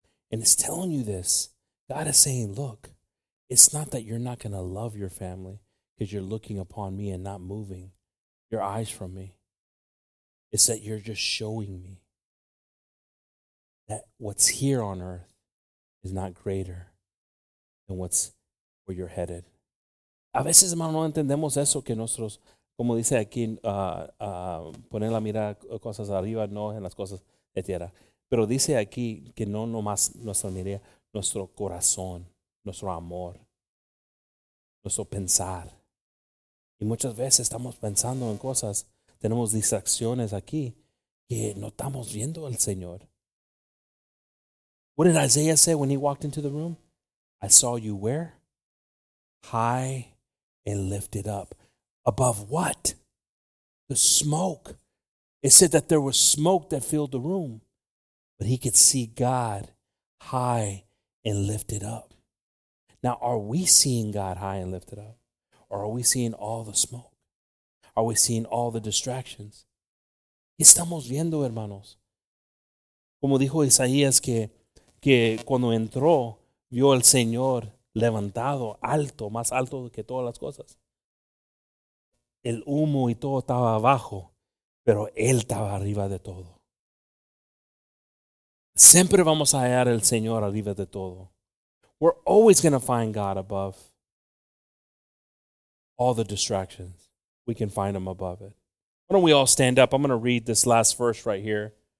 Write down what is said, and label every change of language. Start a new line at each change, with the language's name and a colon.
English: And it's telling you this. God is saying, look, it's not that you're not going to love your family because you're looking upon me and not moving your eyes from me. It's that you're just showing me that what's here on earth is not greater than what's where you're headed.
Spanish: A veces, hermano, no entendemos eso que nosotros, como dice aquí, poner la mira cosas arriba, no en las cosas de tierra. Pero dice aquí que no nomás nuestra mirada, nuestro corazón, nuestro amor, nuestro pensar. Y muchas veces estamos pensando en cosas, tenemos distracciones aquí, que no estamos viendo al Señor.
English: What did Isaiah say when he walked into the room? I saw you where? High and lifted up. Above what? The smoke. It said that there was smoke that filled the room. But he could see God high and lifted up. Now, are we seeing God high and lifted up? Or are we seeing all the smoke? Are we seeing all the distractions?
Spanish: Estamos viendo, hermanos. Como dijo Isaías, que cuando entró, vio al Señor levantado, alto, más alto que todas las cosas. El humo y todo estaba abajo, pero él estaba arriba de todo. Siempre vamos a hallar al Señor arriba de todo.
English: We're always going to find God above all the distractions. We can find him above it. Why don't we all stand up? I'm going to read this last verse right here.